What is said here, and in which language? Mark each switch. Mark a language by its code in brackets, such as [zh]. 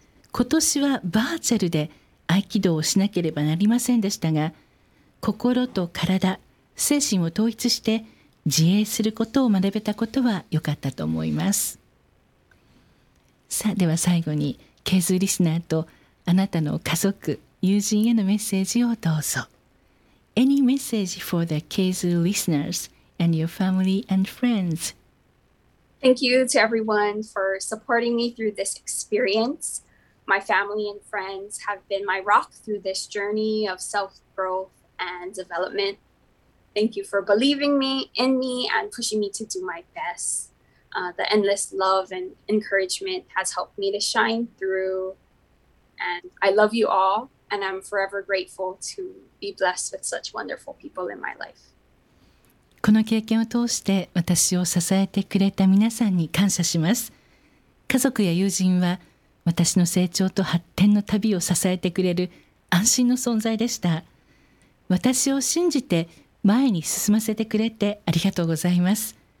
[ja] 今年はバーチャルで合気道をしなければなりませんでしたが、心と体、精神を統一して自衛することを学べたことは良かったと思います。さあ、では最後にケーズリスナーとあなたの家族、友人へのメッセージをどうぞ。 [en] Any message for the Keizu listeners and your family and friends? Thank you to everyone for supporting me through this experience. My family and friends have been my rock through this journey of self-growth and development. Thank you for believing me in me and pushing me to do my best. The endless love and encouragement has helped me to shine through. And I love you all. And I'm forever grateful to be blessed with such wonderful people in my life. [ja] この経験を通して私を支えてくれた皆さんに感謝します。家族や友人は私の成長と発展の旅を支えてくれる安心の存在でした。私を信じて前に進ませてくれてありがとうございます。